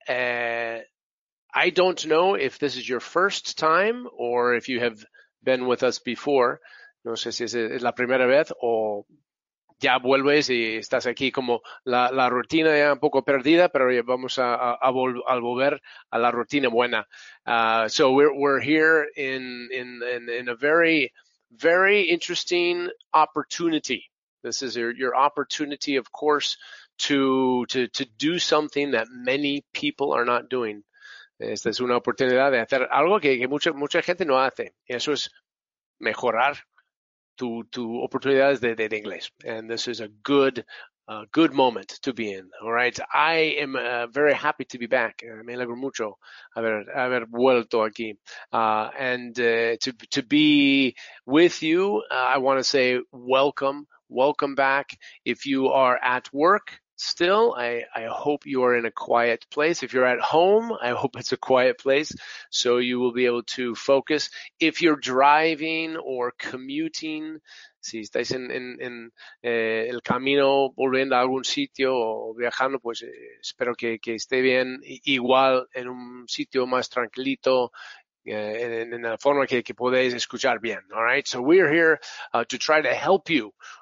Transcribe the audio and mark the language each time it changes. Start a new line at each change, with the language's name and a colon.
English: I don't know if this is your first time or if you have been with us before.
Spanish: No sé si es la primera vez o ya vuelves y estás aquí como la rutina ya un poco perdida, pero ya vamos a volver a la rutina buena.
English: So we're here in a very, very interesting opportunity. This is your opportunity, of course, to do something that many people are not doing.
Spanish: Esta es una oportunidad de hacer algo que mucha gente no hace. Y eso es mejorar tu oportunidades de inglés.
English: And this is a good moment to be in. All right. I am very happy to be back.
Spanish: Me alegro mucho haber vuelto aquí.
English: To be with you, I want to say welcome back. If you are at work still, I hope you are in a quiet place. If you're at home, I hope it's a quiet place so you will be able to focus. If you're driving or commuting,
Spanish: si estáis en el camino volviendo a algún sitio o viajando, pues espero que esté bien. Igual en un sitio más tranquilito, en la forma que podéis escuchar bien.
English: All right, so we're here to try to help you.